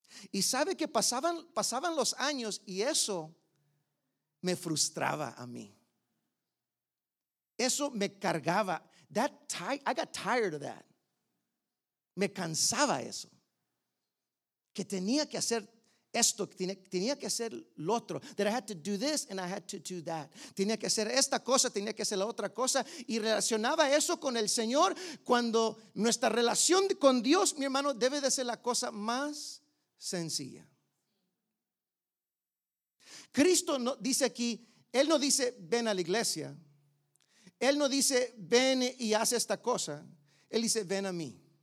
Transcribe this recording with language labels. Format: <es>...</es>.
<es>Y sabe que pasaban los años y eso me frustraba a mí. Eso me cargaba.</es> <en>I got tired of that.</en> <es>Me cansaba eso. Que tenía que hacer esto, tenía que hacer lo otro.</es> <en>That I had to do this and I had to do that.</en> <es>Tenía que hacer esta cosa, tenía que hacer la otra cosa. Y relacionaba eso con el Señor cuando nuestra relación con Dios, mi hermano, debe de ser la cosa más sencilla. Cristo no dice aquí, Él no dice ven a la iglesia, Él no dice ven y haz esta cosa, Él dice ven a mí.</es>